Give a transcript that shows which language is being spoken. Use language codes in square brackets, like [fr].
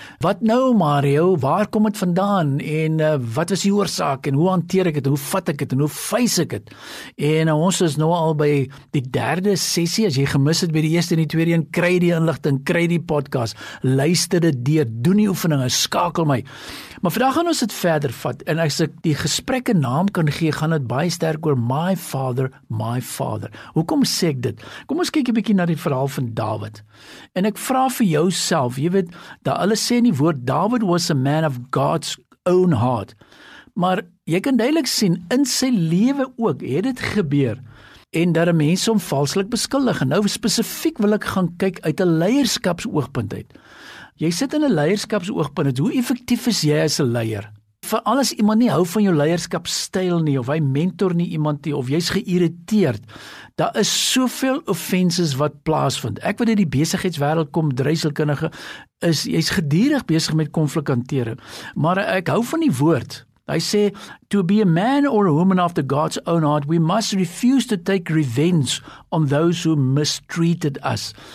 [af] Wat nou Mario, waar kom het vandaan en wat was die oorsaak en hoe hanteer ek het en hoe vat ek het en hoe face ek het? En ons is nou al by die derde sessie, as jy gemis het by die eerste en die tweede, en kry die inligting, kry die podcast, luister dit deur, doen die oefeninge, skakel my. Maar vandag gaan ons dit verder vat en as ek die gesprek 'n naam kan gee, gaan dit baie sterk oor [en] my father, my father. [af] Hoekom sê ek dit? Kom ons kyk 'n bietjie na die verhaal van Dawid. En ek vra vir jouself, jy weet, dat hulle sê in die woord, Dawid was [en] a man of God's own heart. [af] Maar jy kan duidelik sien, in sy lewe ook het dit gebeur en dat die mense hom valslik beskuldig. En nou spesifiek wil ek gaan kyk uit 'n leierskapsoogpunt uit. Jy sit in 'n leierskapsoogpunt, hoe effektief is jy as 'n leier? Veral as iemand nie hou van jou leierskapstyl nie, of hy mentor nie iemand nie, of jy's geïrriteerd, daar is soveel offenses wat plaasvind. Ek wat in die besigheidswêreld kom, dreiselkundige, is jy's gedurig besig met konflik hantering. Maar ek hou van die woord. Hy sê, [en] to be a man or a woman after God's own heart, we must refuse to take revenge on those who mistreated us.